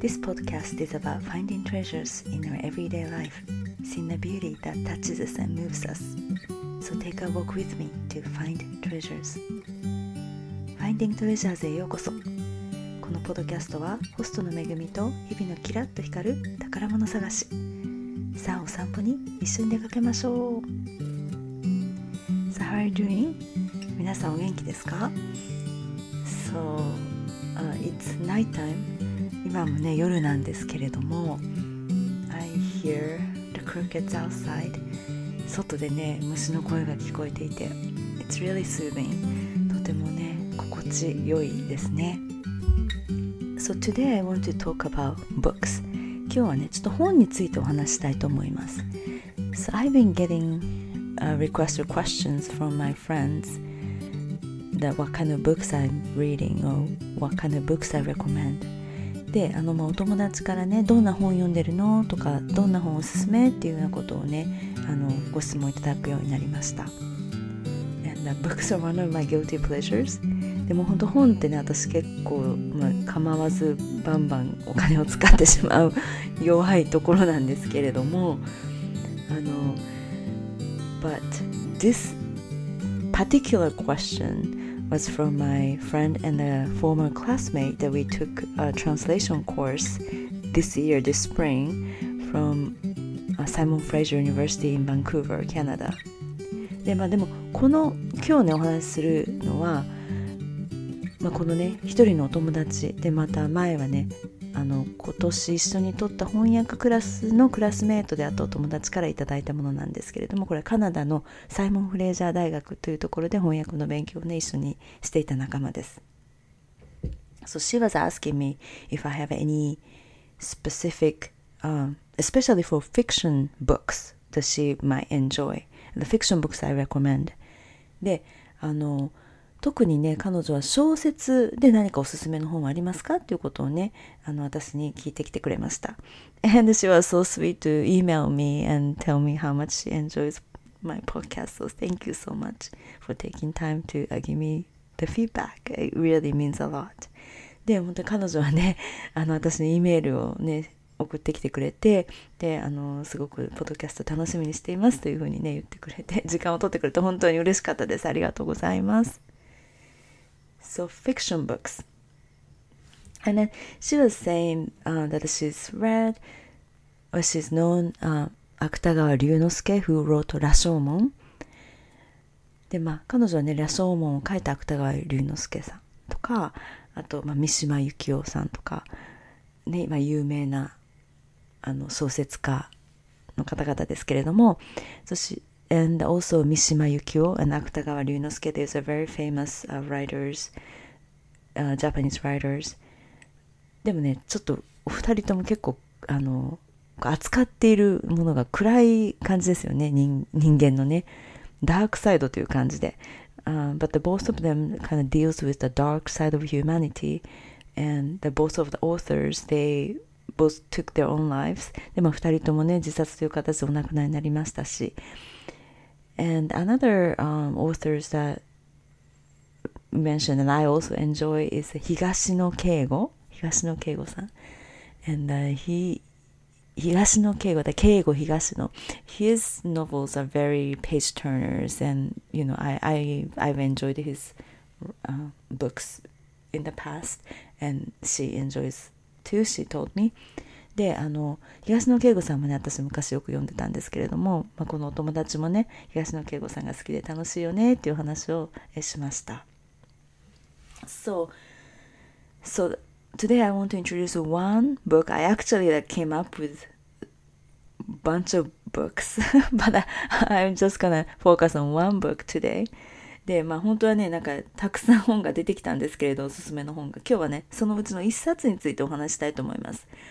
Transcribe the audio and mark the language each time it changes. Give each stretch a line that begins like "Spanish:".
English: This podcast is about finding treasures in our everyday life, seeing the beauty that touches us and moves us. So take a walk with me to find treasures.
Japanese: Finding treasures へようこそ。このポッドキャストはホストの Megumi と日々のキラッと光る宝物探し。さあお散歩に一緒に出かけましょう。
English: So how are you doing?
Japanese: 皆さんお元気ですか?
English: So, it's night time.
Japanese: 今もね、夜なんですけれども
English: I hear the crickets outside.
Japanese: 外でね、虫の声が聞こえていて
English: It's really soothing.
Japanese: とてもね、心地よいですね。
English: So today I want to talk about books.
Japanese: 今日はね、ちょっと本についてお話したいと思います。
English: So I've been getting requests or questions from my friendsThat what kind of books I'm reading or what kind of books I recommend.
Japanese: で、まあ、お友達からね、どんな本読んでるのとか、どんな本おすすめっていうようなことをね、ご質問いただくようになりました。
English: And the books are one of my guilty pleasures.
Japanese: でも本当本ってね、私結構、まあ、構わずバンバンお金を使ってしまう弱いところなんですけれども、
English: But this particular question. Was from my friend and a former classmate that we took a translation course this year, this spring, from Simon Fraser University in Vancouver, Canada.
Japanese: で、まあでもこの今日ねお話しするのは、まあこのね一人のお友達でまた前はね今年一緒に取った翻訳クラスのクラスメートであったお友達からいただいたものなんですけれどもこれはカナダのサイモン・フレイジャー大学というところで翻訳の勉強をね一緒にしていた仲間です。
English: So she was asking me if I have any specific, especially for fiction books that she might enjoy, the fiction books I recommend.
Japanese: で、特にね、彼女は小説で何かおすすめの本はありますかっていうことをね、私に聞いてきてくれました。
English: And she was so sweet to email me and tell me how much she enjoys my podcast. So thank you so much for taking time to give me the feedback. It really means a lot.
Japanese: で、本当彼女はね、私にEメールをね、送ってきてくれて、で、すごくポッドキャスト楽しみにしていますというふうにね、言ってくれて、時間を取ってくれて本当に嬉しかったです。ありがとうございます。
English: So fiction books, and then she was saying that she's read or she's known Akutagawa Ryunosuke who wrote Rashomon.
Japanese: で、まあ彼女はね、羅生門を書いた芥川龍之介さんとか、あと、まあ、三島由紀夫さんとかね、まあ有名な小説家の方々ですけれども、そして。
English: And also Mishima Yukio and Akutagawa Ryunosuke, these are very famous writers, Japanese writers.
Japanese: でもね、ちょっとお二人とも結構扱っているものが暗い感じですよね、人間のね、ダークサイドという感じで。
English: But the both of them kind of deals with the dark side of humanity, and the both of the authors, they both took their own lives.
Japanese: でも二人ともね、自殺という形でお亡くなりになりましたし、
English: And another authors that mentioned and I also enjoy is Higashino Keigo-san. And his novels are very page turners and you know I've enjoyed his books in the past and she enjoys too, she told me.
Japanese: で、東野圭吾さんもね、私昔よく読んでたんですけれども、まあ、このお友達もね、東野圭吾さんが好きで楽しいよねっていう話をしました。
English: So, today I want to introduce one book. I actually came up with a bunch of books, but I'm just gonna focus on one book today.
Japanese: で、まあ本当はね、なんかたくさん本が出てきたんですけれど、おすすめの本が。今日はね、そのうちの一冊についてお話したいと思います。